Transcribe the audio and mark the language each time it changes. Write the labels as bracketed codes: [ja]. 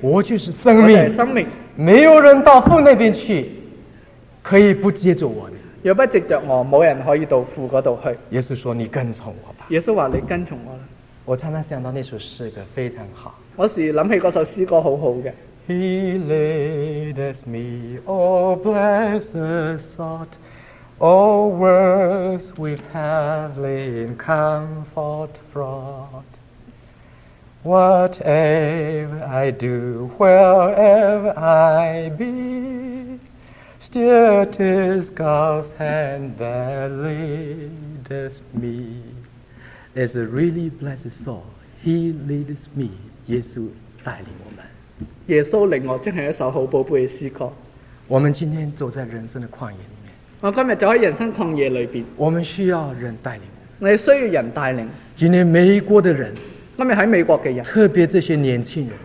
[zh] 我就是生命，我就是生命，没有人到父那边去可以不接着我的，若不接着我，没人可以到父那里去。耶稣说你跟从我吧，耶稣说你跟从我。我常常想到那首诗歌非常好，我时想起那首诗歌很好的。 [en] He leadeth me, oh blessed thought, all worlds with heavenly comfort fraught. Whatever I do, wherever I be, still 'tis God's hand that leadeth me. It's a really blessed song. He leads me. [zh] 耶稣带领我们。耶稣领我，真是一首好宝贝的诗歌。我们今天走在人生的旷野里面。我今天走在人生旷野里面。我们需要人带领。我们需要人带领。今天美国的人，今天在美国的人，特别这些年轻人，